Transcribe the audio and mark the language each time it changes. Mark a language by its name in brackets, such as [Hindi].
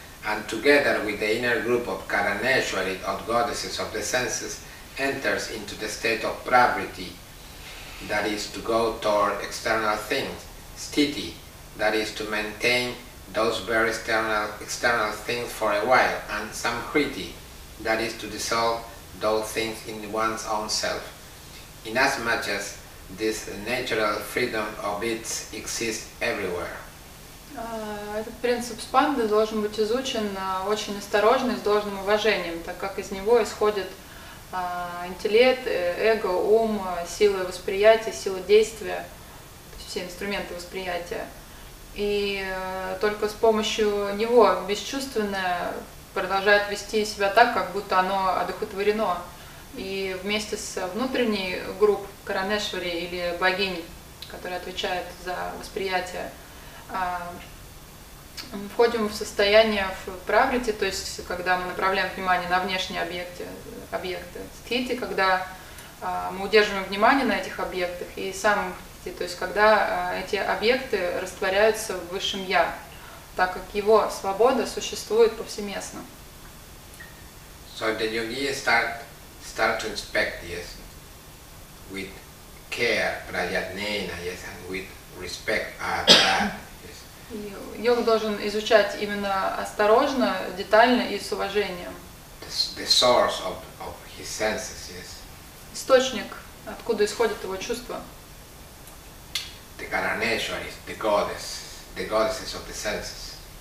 [English] And together with the inner group of Karaneshwari, of goddesses of the senses, enters into the state of pravritti, that is to go toward external things, sthiti, that is to maintain those very external things for a while, and samkriti, that is to dissolve those things in one's own self. Inasmuch as this natural freedom of its exists everywhere. [Russian] Этот принцип Спанды должен быть изучен очень осторожно и с должным уважением, так как из него исходит интеллект, эго, ум, силы восприятия, силы действия, то есть все инструменты восприятия. И только с помощью него бесчувственное продолжает вести себя так, как будто оно одухотворено. И вместе с внутренней группой Каранешвари или богинь который отвечает за восприятие, мы входим в состояние в праврити, то есть когда мы направляем внимание на внешние объекты стхити, когда мы удерживаем внимание на этих объектах и сам стхити, то есть когда эти объекты растворяются в высшем я, так как его свобода существует повсеместно. [English] So the yogi start to inspect, yes, with care, prajnana, yes, and with respect at that. [Russian] Йог должен изучать именно осторожно, детально и с уважением. [English] The source of his senses, yes. [Russian] Источник, откуда исходит его чувство. [English] The Karaneshwari, the goddesses of the senses.